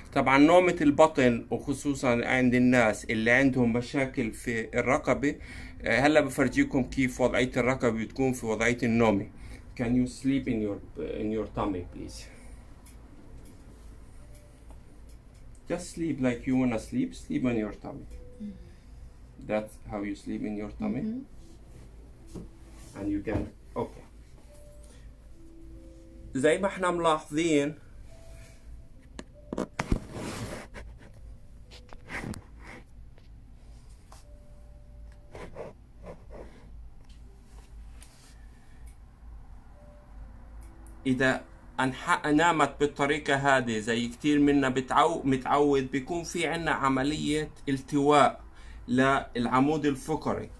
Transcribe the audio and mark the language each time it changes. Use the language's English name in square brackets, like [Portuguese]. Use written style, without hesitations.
[Arabic] طبعا نومة البطن، وخصوصا عند الناس اللي عندهم مشاكل في الرقبة. هلا بفرجيكم كيف وضعية الرقبة بتكون في وضعية النوم. [English] Can you sleep in your tummy please? Just sleep like you wanna sleep. Sleep on your tummy. That's how you sleep in your tummy. And you can [Arabic] زي ما احنا ملاحظين اذا نامت بالطريقة هذه، زي كتير منا متعود، بيكون في عنا عملية التواء للعمود الفقري.